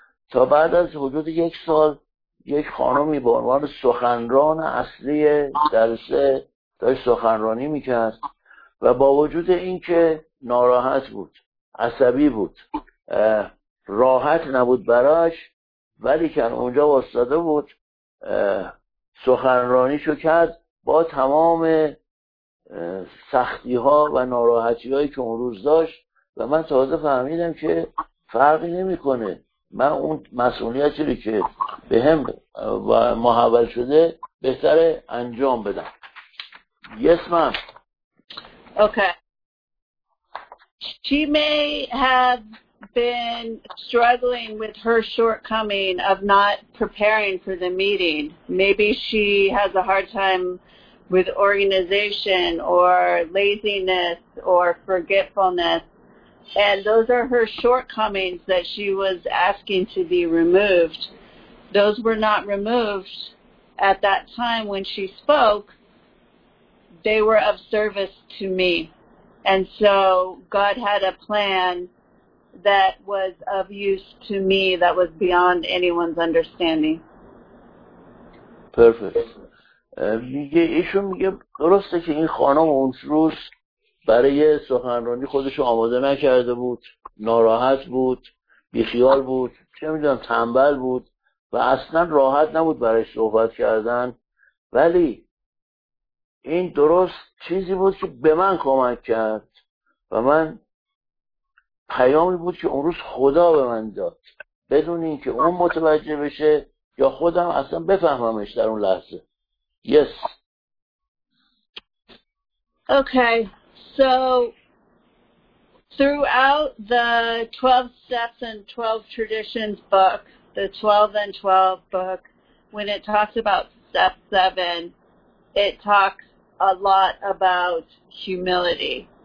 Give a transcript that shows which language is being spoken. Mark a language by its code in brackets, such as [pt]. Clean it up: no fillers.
[fa] تا بعد از حدود یک سال یک خانمی به عنوان سخنران اصلی جلسه داشت سخنرانی میکرد و با وجود اینکه ناراحت بود، عصبی بود، راحت نبود براش، ولی که اونجا واستاده بود سخنرانیشو کرد با تمام سختی ها و ناراحتی هایی که اون روز داشت. و من تازه فهمیدم که فرقی نمی کنه. من اون مسئولیتی رو که به هم و محول شده بهتره انجام بدم. [en] Yes, ma'am. Okay. She may have been struggling with her shortcoming of not preparing for the meeting. Maybe she has a hard time with organization or laziness or forgetfulness. And those are her shortcomings that she was asking to be removed. Those were not removed at that time when she spoke, they were of service to me. And so God had a plan that was of use to me that was beyond anyone's understanding. Perfect. [fa] میگه ایشون میگه درسته که این خانم اون روز برای سخنرانی خودشو آماده نکرده بود، ناراحت بود، بیخیال بود، چه میدونم تنبل بود و اصلا راحت نبود برای صحبت کردن، ولی این درست چیزی بود که به من کمک کرد و من پیامی بود که اون روز خدا به من داد، بدون این که اون متوجه بشه یا خودم اصلا بفهممش در اون لحظه. [en] Yes. Okay. So throughout the 12 steps and 12 traditions book, the 12 and 12 book, when it talks about step 7, it talks a lot about humility.